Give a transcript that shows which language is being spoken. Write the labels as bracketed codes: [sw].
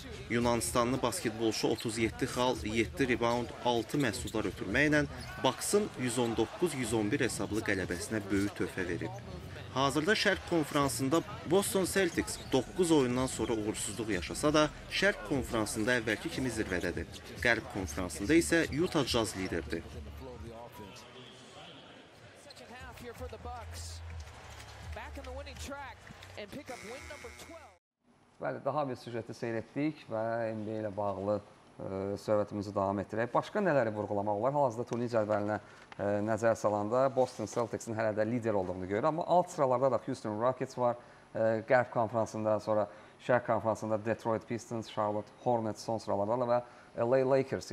[az] Yunanistanlı basketbolçu 37 xal, 7 rebound, 6 məhsullar ötürməklə Bucks'ın 119-111 hesablı qələbəsinə böyük töhfə verib. Hazırda Şərq konferansında Boston Celtics 9 oyundan sonra uğursuzluq yaşasa da, Şərq konferansında əvvəlki kimi zirvədədir. Qərb konferansında isə Utah Jazz liderdir. [en] here for the Bucks. Back in the winning track and pick up win number 12. [az] Bəli, daha bir süjeti seyrettik və NBA ilə bağlı söhbətimizi davam etdirək. Başqa nələri vurğulamaq olar? Hal-hazırda turnir cədvəlinə nəzər salanda Boston Celtics'in hələ də lider olduğunu görür. Amma alt sıralarda da Houston Rockets var. Qərb konferansında, sonra Şərq konferansında Detroit Pistons, Charlotte Hornets son sıralarda və LA Lakers.